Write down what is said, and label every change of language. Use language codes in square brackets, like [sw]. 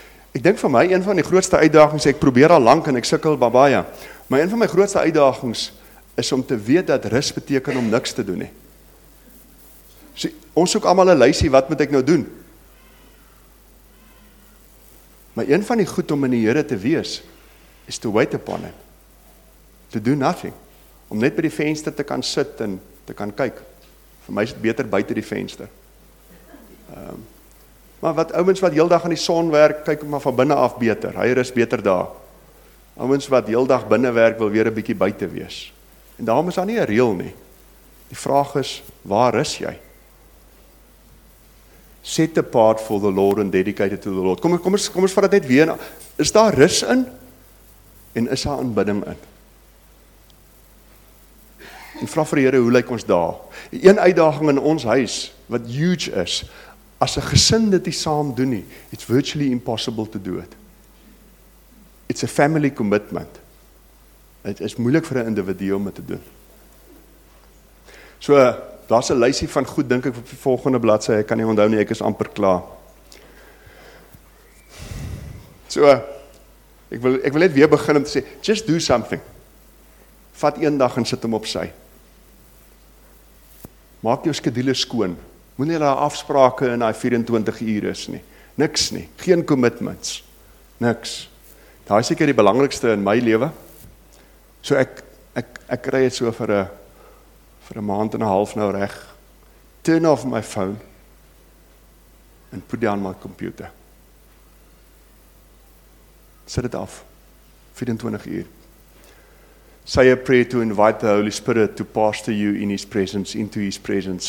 [af] Ek dink vir my, een van die grootste uitdagings, ek probeer al lank en ek sukkel baie, maar een van my grootste uitdagings is om te weet dat rus beteken om niks te doen nie. Sien, ons soek allemaal 'n lysie, wat moet ek nou doen? Maar een van die goed om in die Here te wees, is [en] to wait upon him. To do nothing. [af] Om net by die venster te kan sit en te kan kyk. Vir my is dit beter buite die venster. Maar wat ouens wat heeldag in die son werk, kyk maar van binne af beter. Hy rus beter daar. Ouens wat heeldag binne werk, wil weer 'n bietjie buite wees. En daarom is daar nie 'n reël nie. Die vraag is, waar rus jy? [en] Set apart for the Lord and dedicated to the Lord. [af] Kom ons vat dit net weer. Is daar rus in? En is daar aanbidding in? En vra vir die Here, hoe lyk ons daar? Een uitdaging in ons huis, wat huge is, as 'n gesin dit nie saam doen nie, [en] it's virtually impossible to do it. It's a family commitment. [af] Dit is moeilik vir 'n individu om dit te doen. So, daar's 'n lysie van goed, dink ek, op die volgende bladsy. Ek kan nie onthou nie, ek is amper klaar. So, ek wil net weer begin om te sê, [en] just do something. [af] Vat een dag en sit hom op sy. Maak jou skedule skoon. Moenie daar afsprake in daai 24 uur is nie. Niks nie, geen commitments. Niks. Daai is seker die belangrikste in my lewe. So ek kry dit so vir 'n maand en 'n half nou reg. [en] Turn off my phone and put down my computer. [af] Sit dit af. 24 uur. [en] Say a prayer to invite the Holy Spirit to pastor you in his presence, into his presence.